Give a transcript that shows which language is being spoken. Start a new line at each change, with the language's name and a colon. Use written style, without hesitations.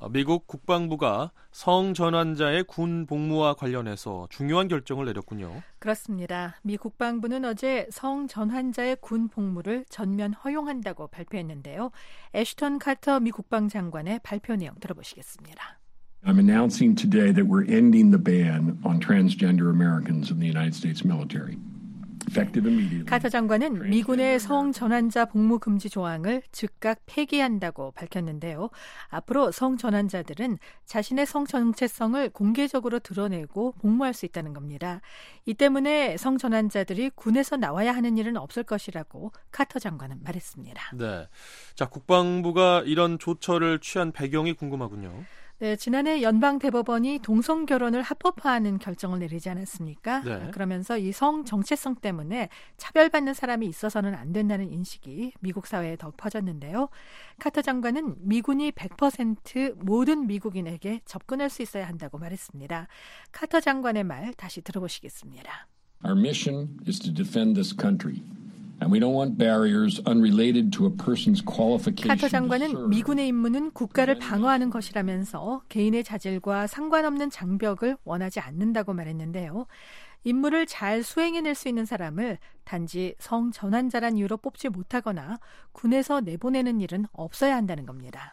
Korean: 미국 국방부가 성 전환자의 군 복무와 관련해서 중요한 결정을 내렸군요. 그렇습니다. 미 국방부는 어제 성 전환자의 군 복무를 전면 허용한다고 발표했는데요. 애쉬턴 카터 미 국방장관의 발표 내용 들어보시겠습니다.
English: I'm announcing today that we're ending the ban on transgender Americans in the United States military. Effective immediately.
Korean: 카터 장관은 미군의 성 전환자 복무 금지 조항을 즉각 폐기한다고 밝혔는데요. 앞으로 성 전환자들은 자신의 성 정체성을 공개적으로 드러내고 복무할 수 있다는 겁니다. 이 때문에 성 전환자들이 군에서 나와야 하는 일은 없을 것이라고 카터 장관은 말했습니다. 네. 자, 국방부가 이런 조처를 취한 배경이 궁금하군요. 네, 지난해 연방대법원이 동성결혼을 합법화하는 결정을 내리지 않았습니까? 네. 그러면서 이 성 정체성 때문에 차별받는 사람이 있어서는 안 된다는 인식이 미국 사회에 더 퍼졌는데요. 카터 장관은 미군이 100% 모든 미국인에게 접근할 수 있어야 한다고 말했습니다. 카터 장관의 말 다시 들어보시겠습니다.
English: Our mission is to defend this country. And we don't want barriers unrelated to a person's qualification.
Korean: 카터 장관은 미군의 임무는 국가를 방어하는 것이라면서 개인의 자질과 상관없는 장벽을 원하지 않는다고 말했는데요. 임무를 잘 수행해낼 수 있는 사람을 단지 성 전환자란 이유로 뽑지 못하거나 군에서 내보내는 일은 없어야 한다는 겁니다.